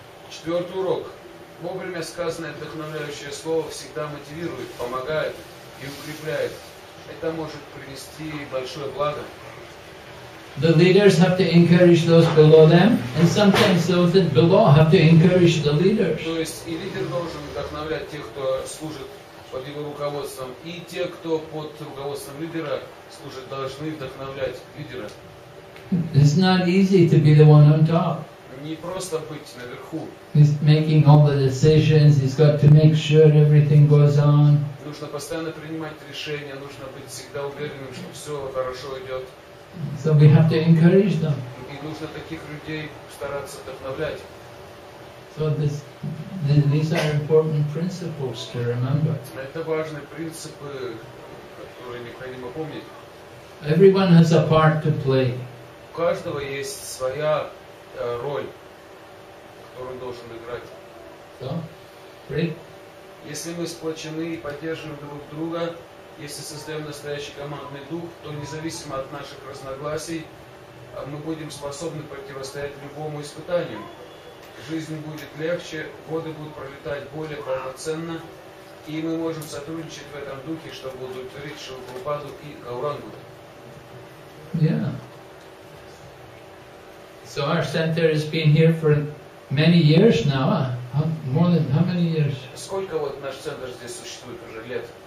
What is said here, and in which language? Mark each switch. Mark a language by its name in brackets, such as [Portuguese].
[Russian] Четвертый урок. Вовремя сказанное вдохновляющее слово всегда мотивирует, помогает и укрепляет. Это может принести большое благо. [English] The leaders have to encourage those below them, and sometimes those below have to encourage the leaders. [Russian] То есть и лидер должен вдохновлять тех, кто служит под его руководством, и те, кто под руководством лидера служит, должны вдохновлять лидера. [English] It's not easy to be the one on top. [Russian] Не просто быть наверху. [English] He's making all the decisions, he's got to make sure everything goes on. [Russian] Нужно постоянно принимать решения, нужно быть всегда уверенным, что все хорошо идет. [English] So we have to encourage them. [Russian] И нужно таких людей стараться вдохновлять. [English] So these are important principles to remember. [Russian] Это важные принципы, которые необходимо помнить. [English] Everyone has a part to play. [Russian] У каждого есть своя роль, которую он должен играть. [English] So, right? [Russian] Если мы сплочены и поддерживаем друг друга, если создаем настоящий командный дух, то независимо от наших разногласий, мы будем способны противостоять любому испытанию. Жизнь будет легче, годы будут пролетать более полноценно, и мы можем сотрудничать в этом духе, чтобы удовлетворить Шрилу Прабхупаду и Гаурангу. [English] Yeah. So our center has been here for many years now. More than how many years? [Russian] Сколько вот наш центр здесь существует уже лет?